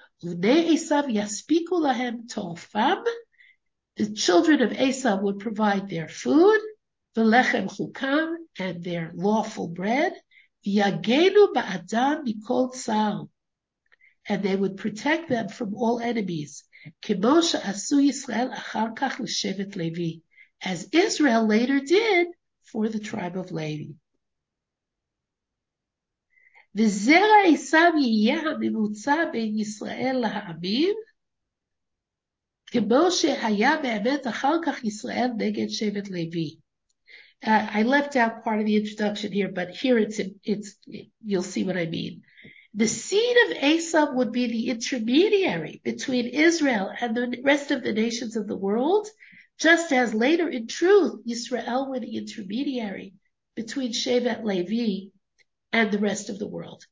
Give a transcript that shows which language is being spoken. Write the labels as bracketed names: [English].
[English] Uvnei Esav yaspiku lahem torfam. The children of Esav would provide their food, v'lechem chukam, and their lawful bread, v'yagenu ba'adam mikol tzar. And they would protect them from all enemies, כמו שעשו ישראל אחר כך לשבט לוי, as Israel later did for the tribe of Levi. [Hebrew] וזרע עשיו יהיה הממוצע בין ישראל לעמים, כמו שהיה באמת אחר כך ישראל נגד שבט לוי. [English] I left out part of the introduction here, but here it's you'll see what I mean. The seed of Esav would be the intermediary between Israel and the rest of the nations of the world, just as later, in truth, Israel were the intermediary between Shevet Levi and the rest of the world.